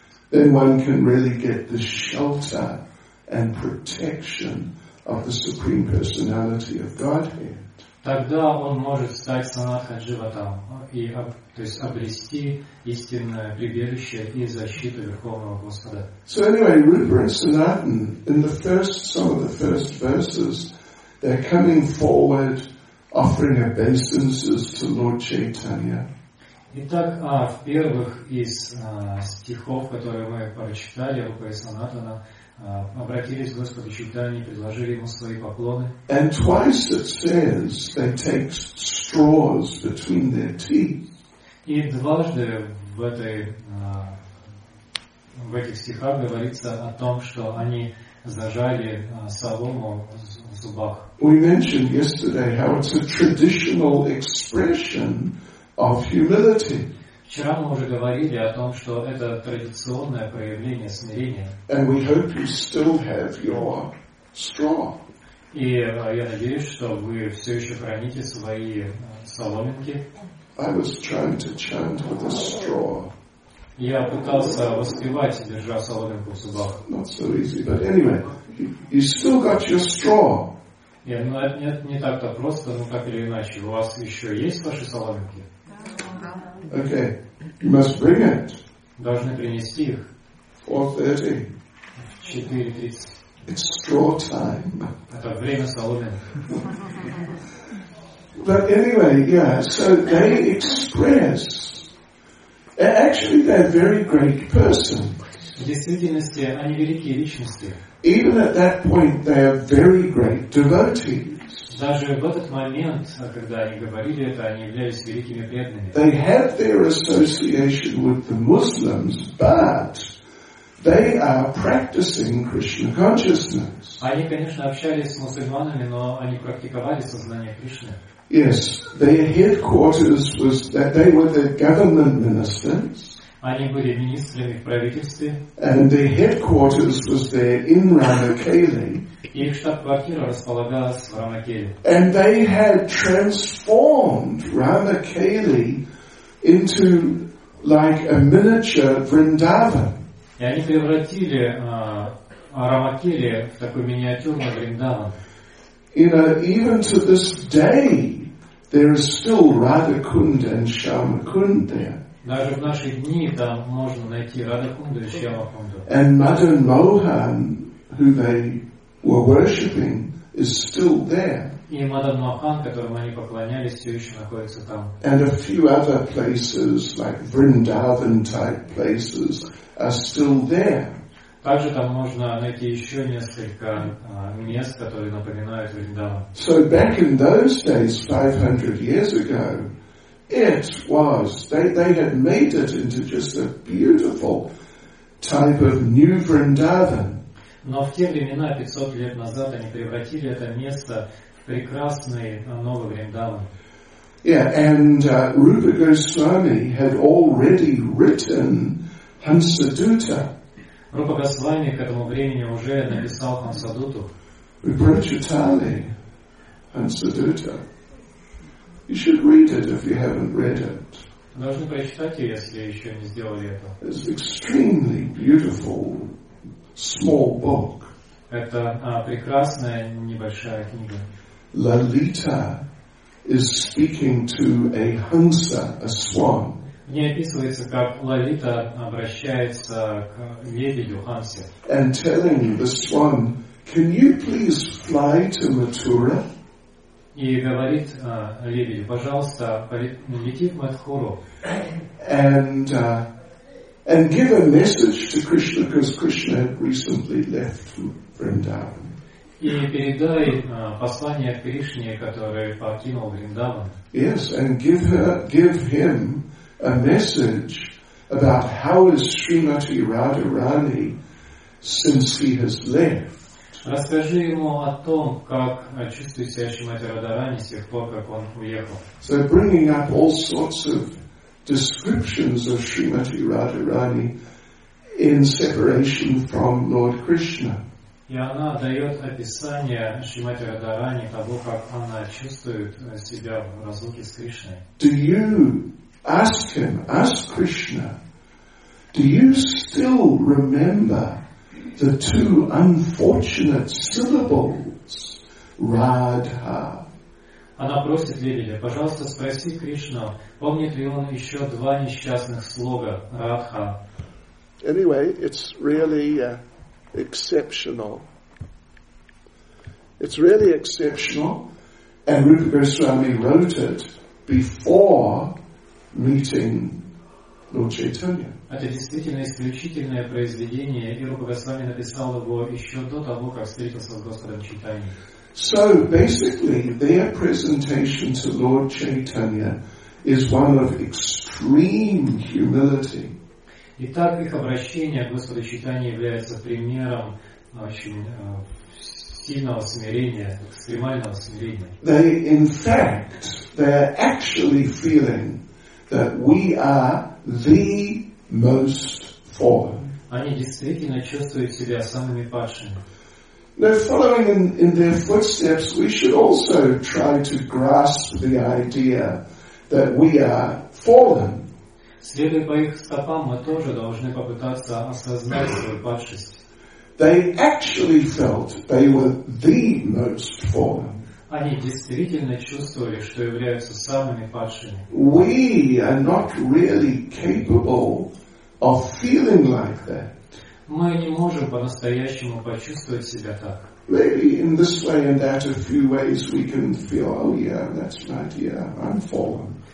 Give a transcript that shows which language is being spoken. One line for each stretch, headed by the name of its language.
English: Then one can really get the shelter and protection of the Supreme Personality of Godhead.
Russian: Тогда он может стать санатха дживатам, то есть обрести истинное прибежище и защиту Верховного Господа.
English: So anyway, Rupa and Sanatan, in the first, some of the first verses, they're coming forward offering obeisances to Lord Chaitanya.
Russian: Итак, в первых из стихов, которые мы прочитали, Рупа и Санатана обратились к Господу Чайтанье и предложили ему свои поклоны.
English: And twice it says they take straws between their teeth.
Russian: И дважды в этих стихах говорится о том, что они зажали солому в зубах.
English: We mentioned yesterday how it's a traditional expression of humility.
Russian: Вчера мы уже говорили о том, что это традиционное проявление смирения.
English: And we hope you still have your straw.
Russian: И я надеюсь, что вы все еще храните свои соломинки.
English: I was trying to chant with a straw.
Russian: Я пытался воспевать, держа соломинку в зубах.
English: Not so easy, but anyway, you still got your straw.
Russian: Yeah, ну, нет, не так-то просто, но так или иначе. У вас еще есть ваши соломинки?
English: Okay, you must bring it.
Russian: Должны принести их.
English: 4:30. It's straw time.
Russian: Это время соломин.
English: But anyway, yeah. So they express. Actually, they're very great person.
Russian: В действительности, они великие личности.
English: Even at that point, they are very great devotees.
Russian: Даже в этот момент, когда они говорили это, они являлись великими преданными.
English: They have their association with the Muslims, but they are practicing Krishna consciousness.
Russian: Они, конечно, общались с мусульманами, но они практиковали сознание Кришны.
English: Yes, their headquarters was that they were the government ministers.
Russian: Они были министрами в правительстве.
English: And their headquarters was there in Ramakeli.
Russian: Их штаб-квартира располагалась в Рамакели.
English: And they had transformed Ramakeli into like a miniature Vrindavan.
Russian: И они превратили Рамакели, такой миниатюрный Вриндаван.
English: You know, even to this day, there is still Radha Kund and Shyama Kund there.
Russian: Даже в наши дни там можно найти Радха Кунду и Шьяма Кунду.
English: And Madan Mohan, who they were worshipping, is still there.
Russian: И Мадан Мохан, которому они поклонялись, все еще находится там.
English: And a few other places, like Vrindavan-type places, are still there.
Russian: Также там можно найти еще несколько мест, которые напоминают Вриндаван.
English: So back in those days, 500 years ago, it was, they had made it into just a beautiful type of new Vrindavan.
Russian: Но в те времена, 500 лет назад, они превратили это место в прекрасный новый Вриндаван.
English: Yeah, and Rupa Goswami had already written Hansadutta.
Russian: Рупа Госвами к этому времени уже написал Хансадуту.
English: Vibhrachitali, Hansadutta. You should read it if you haven't read it.
Russian: Должны прочитать ее, если еще не сделали это.
English: It's extremely beautiful small book.
Russian: Это прекрасная небольшая книга.
English: Lalita is speaking to a hansa, a swan.
Russian: В ней описывается, как Лалита обращается к лебедю Хансе.
English: And telling the swan, can you please fly to Mathura?
Russian: И говорит лебедь, пожалуйста, лети в Мадхуру.
English: And give a message to Krishna, because Krishna had recently left Vrindavan.
Russian: И передай послание Кришне, который покинул Вриндаван.
English: Yes, and give him a message about how is Srimati Radharani since he has left.
Russian: Расскажи ему о том, как чувствует себя Шримати Радхарани с тех пор, как он уехал.
English: So bringing up all sorts of descriptions of Shrimati Radharani in separation from Lord Krishna.
Russian: И она дает описание Шримати Радхарани того, как она чувствует себя в разлуке с Кришной.
English: Do you ask him, ask Krishna, do you still remember the two unfortunate syllables, Radha.
Russian: Она просит лебедя, пожалуйста, спроси Кришну, помнит ли он еще два несчастных слога, Радха.
English: Anyway, it's really exceptional. It's really exceptional, and Rupa Goswami wrote it before meeting Lord Chaitanya.
Russian: Это действительно исключительное произведение, и Рупа Госвами написал его еще до того, как встретился с Господом Чайтаньей.
English: So basically, their presentation to Lord Chaitanya is one of extreme humility.
Russian: Итак, их обращение к Господу Чайтанье является примером очень сильного смирения, экстремального смирения.
English: They, in fact, they are actually feeling that we are the most fallen.
Russian: Они действительно чувствуют себя самыми падшими.
English: Now, following in their footsteps, we should also try to grasp the idea that we are fallen.
Russian: Следуя по их стопам, мы тоже должны попытаться осознать свою падшесть.
English: They actually felt they were the most fallen.
Russian: Они действительно чувствовали, что являются самыми падшими.
English: We are not really capable of feeling like that.
Russian: Мы не можем по-настоящему почувствовать себя так.
English: Maybe in this way and that a few ways we can feel, oh yeah, that's right, yeah, I'm fallen.